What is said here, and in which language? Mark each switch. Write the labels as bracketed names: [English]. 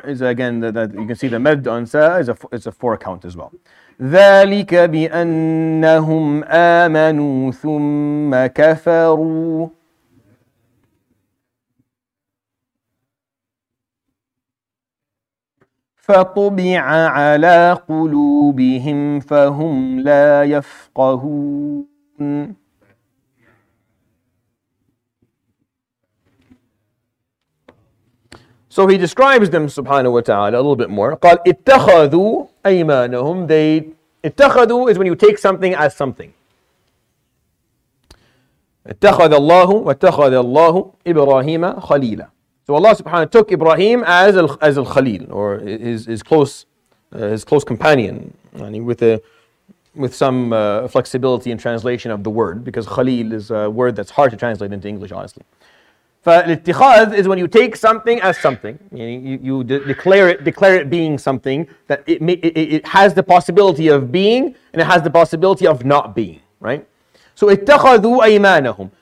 [English] Is again that you can see the med on sa'a is a four count as well. [Arabic] ذلك بأنهم آمنوا ثم كفروا. فطبع على قلوبهم فهم لا يفقهون. [English] So he describes them, subhanahu wa ta'ala, a little bit more. [Arabic] قال اتخذوا أيمانهم. [English] They اتخذوا is when you take something as something. [Arabic] اتخذ الله إبراهيم خليلا. [English] So Allah subhanahu wa ta'ala took Ibrahim as al-Khalil, or his close companion, and with some flexibility in translation of the word, because Khalil is a word that's hard to translate into English, honestly. فالاتخاذ is when you take something as something, meaning you declare it being something that it has the possibility of being and it has the possibility of not being, right? So [Arabic] اتخذوا أيمانهم,